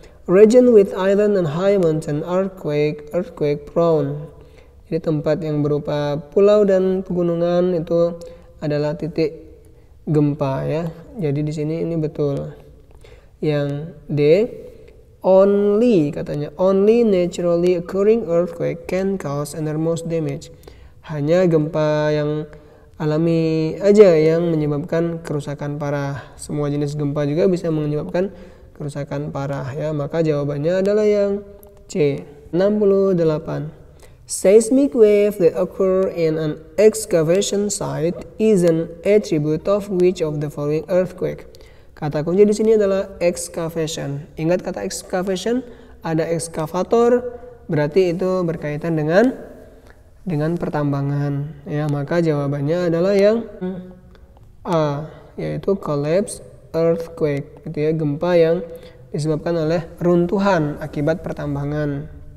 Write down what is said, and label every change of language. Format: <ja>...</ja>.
<en>Region with island and high mountain earthquake prone.</en> <id>Jadi tempat yang berupa pulau dan pegunungan itu adalah titik gempa ya. Jadi di sini ini betul. Yang D,</id> <en>only katanya, only naturally occurring earthquake can cause enormous damage.</en> <id>Hanya gempa yang alami aja yang menyebabkan kerusakan parah. Semua jenis gempa juga bisa menyebabkan kerusakan parah ya. Maka jawabannya adalah yang C. 68.</id> <en>Seismic wave that occur in an excavation site is an attribute of which of the following earthquake?</en> <id>Kata kunci di sini adalah excavation. Ingat kata excavation, ada excavator, berarti itu berkaitan dengan pertambangan ya. Maka jawabannya adalah yang A, yaitu</id> <en>collapse earthquake</en> <id>gitu ya, gempa yang disebabkan oleh runtuhan akibat pertambangan.</id>